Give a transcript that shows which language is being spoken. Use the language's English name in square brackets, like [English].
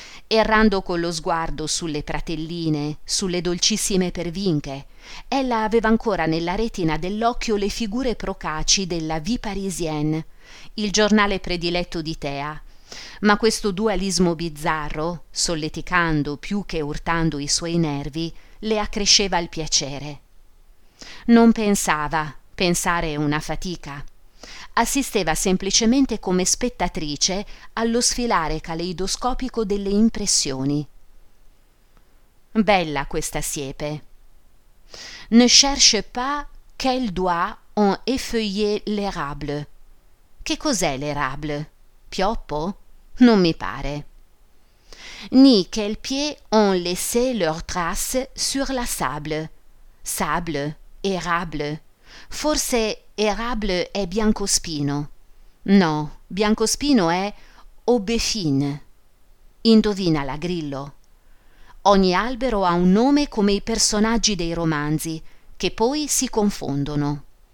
[Italian] Errando con lo sguardo sulle pratelline, sulle dolcissime pervinche, ella aveva ancora nella retina dell'occhio le figure procaci della Vie Parisienne, il giornale prediletto di Thea, ma questo dualismo bizzarro, solleticando più che urtando i suoi nervi, le accresceva il piacere. Non pensava, pensare è una fatica. Assisteva semplicemente come spettatrice allo sfilare caleidoscopico delle impressioni. Bella questa siepe. [French] Ne cherche pas quel doigt ont effeuillé l'érable. [Italian] Che cos'è l'érable? Pioppo? Non mi pare. [French] Ni quel pied ont laissé leur trace sur la sable. Sable, érable. [Italian] Forse érable è biancospino. No, biancospino è aubépine. Indovina la grillo. Ogni albero ha un nome come i personaggi dei romanzi, che poi si confondono.